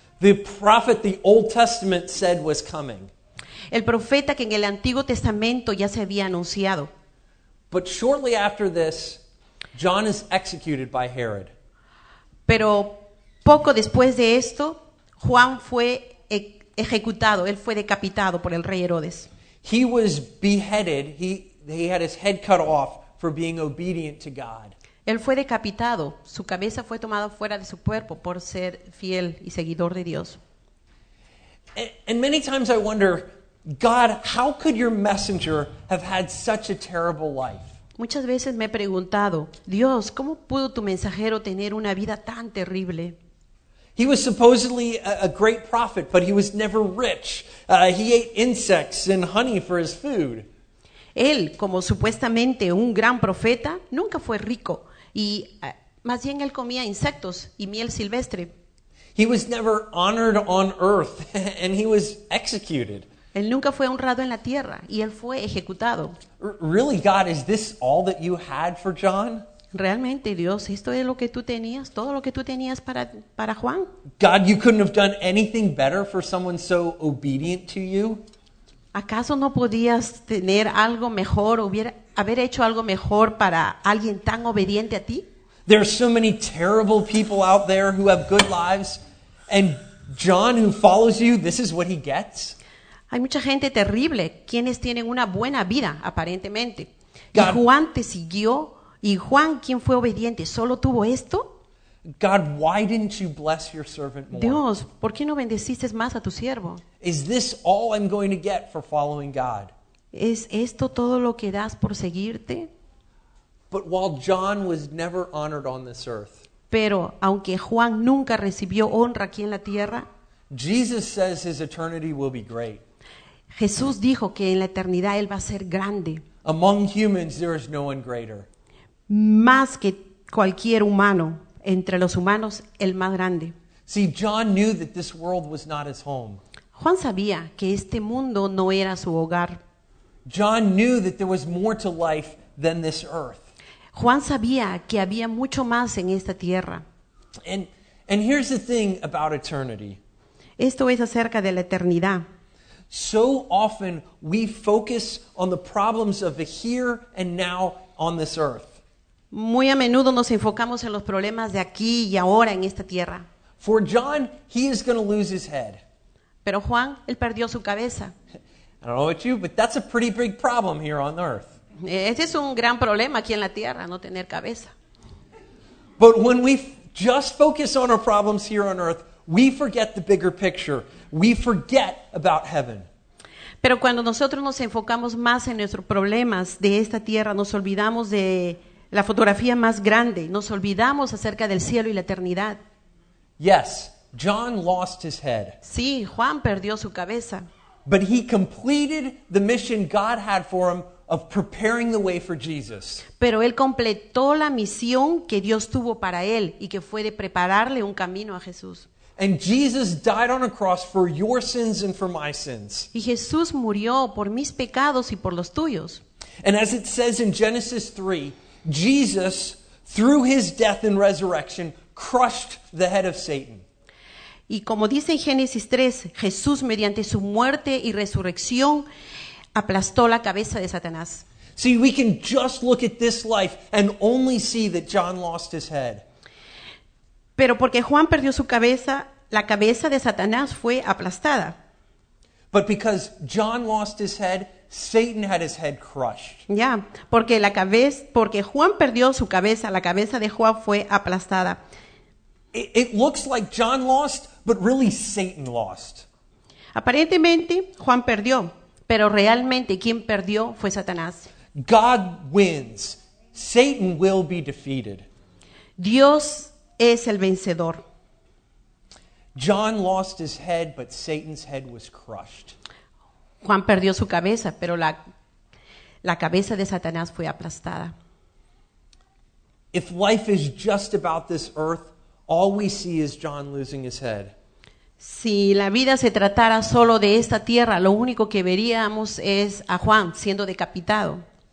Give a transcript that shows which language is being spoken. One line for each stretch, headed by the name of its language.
English: The prophet the Old Testament said was coming.
Spanish: El profeta que en el Antiguo Testamento ya se había anunciado.
English: But shortly after this, John is executed by Herod.
Spanish: Pero poco después de esto, Juan fue ejecutado, él fue decapitado por el rey Herodes.
English: He was beheaded, he had his head cut off for being obedient to God.
Spanish: Él fue decapitado, su cabeza fue tomada fuera de su cuerpo por ser fiel y seguidor de Dios.
English: And many times I wonder, God, how could your messenger have had such a terrible life?
Spanish: Muchas veces me he preguntado, Dios, ¿cómo pudo tu mensajero tener una vida tan terrible?
English: He was supposedly a great prophet, but he was never rich. He ate insects and honey for his food.
Spanish: Él, como supuestamente un gran profeta, nunca fue rico. Y más bien él comía insectos y miel silvestre.
English: He was never honored on earth, and he was executed.
Spanish: Él nunca fue honrado en la tierra y él fue ejecutado.
English: Really, God, is this all that you had for John?
Spanish: Realmente, Dios, esto es lo que tú tenías, todo lo que tú tenías para Juan.
English: God, you couldn't have done anything better for someone so obedient to you.
Spanish: ¿Acaso no podías tener algo mejor, haber hecho algo mejor para alguien tan obediente a ti?
English: There are so many terrible people out there who have good lives, and John, who follows you, this is what he gets.
Spanish: Hay mucha gente terrible, quienes tienen una buena vida, aparentemente. Y Juan te siguió, y Juan, quien fue obediente, solo tuvo esto.
English: God, why didn't you bless your servant more?
Spanish: Dios, ¿por qué no bendeciste más a tu siervo?
English: Is this all I'm going to get for following God?
Spanish: ¿Es esto todo lo que das por seguirte?
English: But while John was never honored on this earth,
Spanish: pero aunque Juan nunca recibió honra aquí en la tierra,
English: Jesus says his eternity will be great.
Spanish: Jesús dijo que en la eternidad él va a ser grande.
English: Among humans, there is no one greater.
Spanish: Más que cualquier humano, entre los humanos, el más grande.
English: See, John knew that this world was not his home.
Spanish: Juan sabía que este mundo no era su hogar.
English: John knew that there was more to life than this earth.
Spanish: Juan sabía que había mucho más en esta tierra.
English: And here's the thing about eternity.
Spanish: Esto es acerca de la eternidad.
English: So often we focus on the problems of the here and now on this earth.
Spanish: Muy a menudo nos enfocamos en los problemas de aquí y ahora en esta tierra.
English: For John, he is going to lose his head.
Spanish: Pero Juan, él perdió su cabeza.
English: I don't know about you, but that's a pretty big problem here on earth.
Spanish: Ese es un gran problema aquí en la tierra, no tener cabeza.
English: But when we just focus on our problems here on earth, we forget the bigger picture. We forget about heaven.
Spanish: Pero cuando nosotros nos enfocamos más en nuestros problemas de esta tierra, nos olvidamos de la fotografía más grande. Nos olvidamos acerca del cielo y la eternidad.
English: Yes, John lost his head.
Spanish: Sí, Juan perdió su cabeza.
English: But he completed the mission God had for him of preparing the way for Jesus.
Spanish: Pero él completó la misión que Dios tuvo para él y que fue de prepararle un camino a Jesús.
English: And Jesus died on a cross for your sins and for my sins.
Spanish: Y Jesús murió por mis pecados y por los tuyos.
English: And as it says in Genesis 3, Jesus, through his death and resurrection, crushed the head of Satan.
Spanish: Y como dice en Génesis 3, Jesús, mediante su muerte y resurrección, aplastó la cabeza de Satanás.
English: See, we can just look at this life and only see that John lost his head.
Spanish: Pero porque Juan perdió su cabeza, la cabeza de Satanás fue aplastada.
English: But because John lost his head, Satan had his head crushed.
Spanish: Yeah, porque Juan perdió su cabeza, la cabeza de Juan fue aplastada.
English: It looks like John lost, but really Satan lost.
Spanish: Aparentemente Juan perdió, pero realmente quien perdió fue Satanás.
English: God wins. Satan will be defeated.
Spanish: Dios es el vencedor.
English: John lost his head, but Satan's head was crushed.
Spanish: Juan perdió su cabeza, pero la cabeza de Satanás fue aplastada.
English: If life is just about this earth, all we see is John losing his head.
Spanish: Si la vida se tratara solo de esta tierra, lo único que veríamos es a Juan siendo decapitado.